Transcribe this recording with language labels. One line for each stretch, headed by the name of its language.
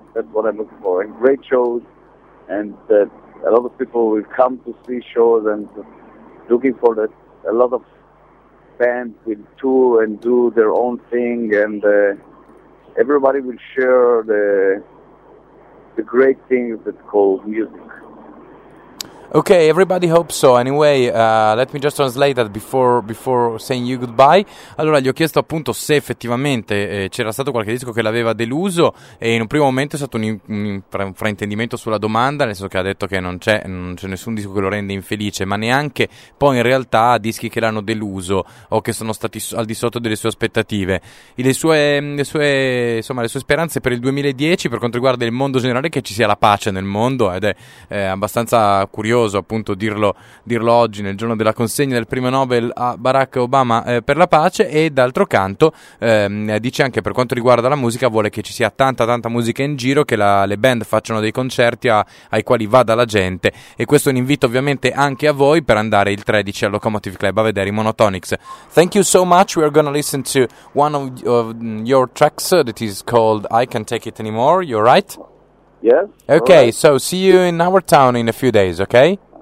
English: That's what I'm looking for, and great shows, and that a lot of people will come to see shows, and looking for that a lot of bands will tour and do their own thing, and everybody will share the great things that's called music. Okay, everybody hopes so. Anyway, let me just translate that before saying you goodbye.
Italian: Allora, gli ho chiesto appunto se effettivamente c'era stato qualche disco che l'aveva deluso, e in un primo momento è stato un fraintendimento sulla domanda, nel senso che ha detto che non c'è nessun disco che lo rende infelice, ma neanche poi in realtà dischi che l'hanno deluso o che sono stati al di sotto delle sue aspettative. Le sue speranze per il 2010 per quanto riguarda il mondo generale, che ci sia la pace nel mondo, ed è abbastanza curioso appunto dirlo oggi nel giorno della consegna del premio Nobel a Barack Obama per la pace. E d'altro canto dice anche, per quanto riguarda la musica, vuole che ci sia tanta tanta musica in giro, che le band facciano dei concerti ai quali vada la gente, e questo è un invito ovviamente anche a voi per andare il 13 al Locomotive Club a vedere i Monotonics.
English: Thank you so much, we are gonna listen to one of your tracks that is called I Can't Take It Anymore, you're right? Yes. Okay, right. So see you in our town in a few days, okay?